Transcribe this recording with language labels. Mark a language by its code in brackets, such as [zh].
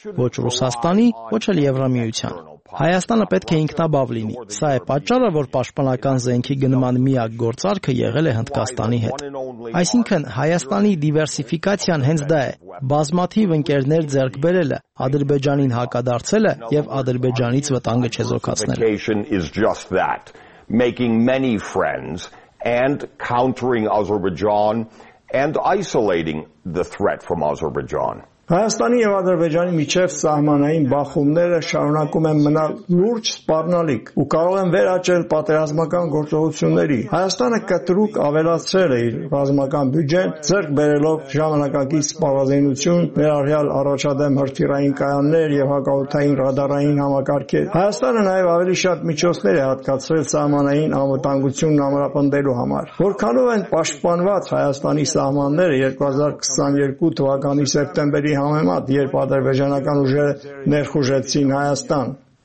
[hy] ոչ Ռուսաստանի, ոչ էլ Եվրամիության։ Հայաստանը պետք է ինքնաբավ լինի։ Սա է պատճառը, որ պաշտպանական զենքի գնման միակ գործարքը եղել է Հնդկաստանի հետ։ Այսինքն, Հայաստանի դիվերսիֆիկացիան հենց դա է՝ բազմաթիվ ընկերներ ձեռք բերելը, Ադրբեջանին հակադարձելը եւ Ադրբեջանից վտանգը չեզոքացնելը։ [en] Making many friends and countering Azerbaijan and isolating the threat from Azerbaijan. [hy] Հայաստանի եւ Ադրբեջանի միջև սահմանային բախումները շարունակում են մնալ լուրջ սպառնալիք ու կարող են վերաճել պատերազմական գործողությունների։ Հայաստանը կտրուկ ավելացրել է իր ռազմական բյուջեն, ձեռք բերելով ժամանակակից սպառազինություն, ներառյալ առաջադեմ հրթիռային կայաններ եւ հակաօդային ռադարային համակարգեր։ Հայաստանը նաեւ ավելի շատ միջոցներ է հատկացրել սահմանային անվտանգությունն ամրապնդելու համար։ Որքանով են պաշտպանված Հայաստանի սահմանները 2022 թվականի սեպտեմբերին, երբ ադրբեջանական ուժերը ներխուժեցին Հայաստան։